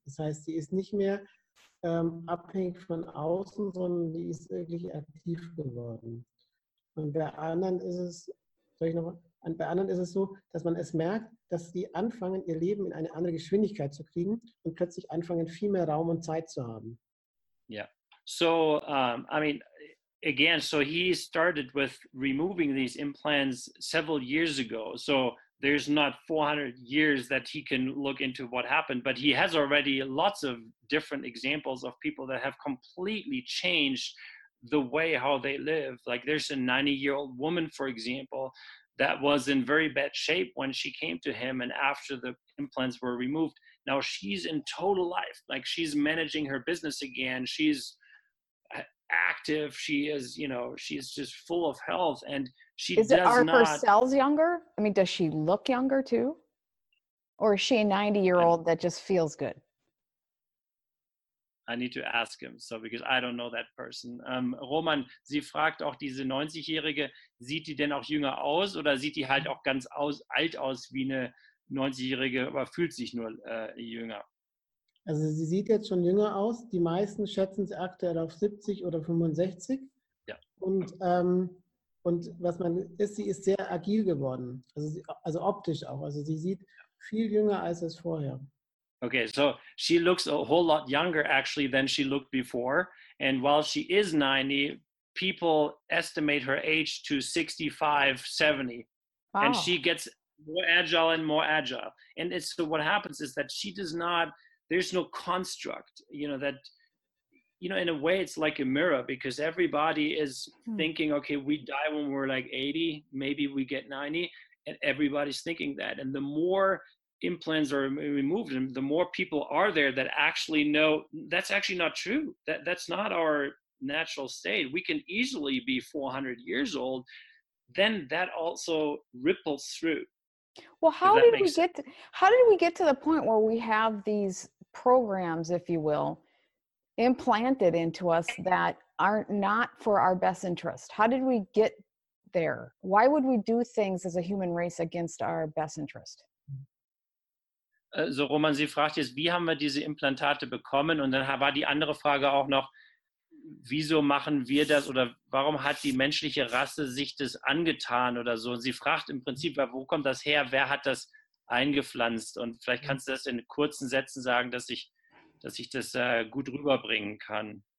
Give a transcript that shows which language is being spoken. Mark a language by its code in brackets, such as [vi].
[de] Das heißt, sie ist nicht mehr abhängig von außen, sondern sie ist wirklich aktiv geworden. Und bei anderen ist es, dass man es merkt, dass sie anfangen, ihr Leben in eine andere Geschwindigkeit zu kriegen und plötzlich anfangen, viel mehr Raum und Zeit zu haben. Ja, [en] yeah. So, he started with removing these implants several years ago. So there's not 400 years that he can look into what happened, but he has already lots of different examples of people that have completely changed the way how they live. Like there's a 90-year-old woman, for example, that was in very bad shape when she came to him and after the implants were removed. Now she's in total life. Like she's managing her business again. She's active. She is, she's just full of health, and she does not. Are her cells younger? I mean, does she look younger too? Or is she a 90-year-old that just feels good? I need to ask him, so because I don't know that person. [de] Roman, sie fragt auch diese 90-Jährige, sieht die denn auch jünger aus oder sieht die halt auch ganz alt aus wie eine 90-Jährige, aber fühlt sich nur jünger? Also sie sieht jetzt schon jünger aus. Die meisten schätzen sie aktuell auf 70 oder 65. Ja. Und was man ist, sie ist sehr agil geworden, also optisch auch. Also sie sieht viel jünger aus als vorher. [en] Okay, so she looks a whole lot younger actually than she looked before. And while she is 90, people estimate her age to 65, 70. Wow. And she gets more agile and more agile. And it's, so what happens is that she does not, there's no construct, in a way it's like a mirror, because everybody is thinking, okay, we die when we're like 80, maybe we get 90. And everybody's thinking that. And the more implants are removed, and the more people are there that actually know that's actually not true, that's not our natural state. We can easily be 400 years old, then that also ripples through. Well, how did we get to the point where we have these programs, if you will, implanted into us that are not for our best interest? How did we get there? Why would we do things as a human race against our best interest? [de] So Roman, sie fragt jetzt, wie haben wir diese Implantate bekommen? Und dann war die andere Frage auch noch, wieso machen wir das, oder warum hat die menschliche Rasse sich das angetan oder so? Und sie fragt im Prinzip, wo kommt das her? Wer hat das eingepflanzt? Und vielleicht kannst du das in kurzen Sätzen sagen, dass ich das gut rüberbringen kann.